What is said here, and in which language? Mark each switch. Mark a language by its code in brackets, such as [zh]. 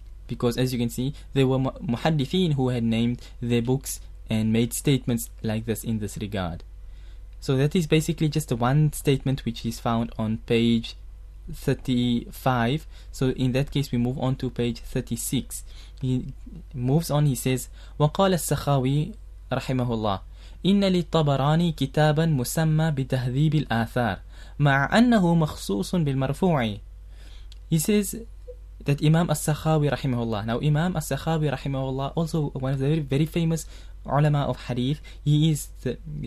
[en] Because as you can see, there were muhaddithin who had named their books and made statements like this in this regard. So that is basically just the one statement which is found on page 35. So in that case, we move on to page 36. He moves on, he says, [ar] وَقَالَ السَّخَاوِي رَحِمَهُ اللَّهِ إِنَّ لِلطَّبَرَانِي كِتَابًا مُسَمَّى بِتَهْذِيبِ الْآثَارِ مَعَ أَنَّهُ مَخْصُوصٌ بِالْمَرْفُوعِ. [en] He says that Imam al-Sakhawi rahimahullah. Now Imam al-Sakhawi rahimahullah, also one of the very, very famous ulama of hadith, he is the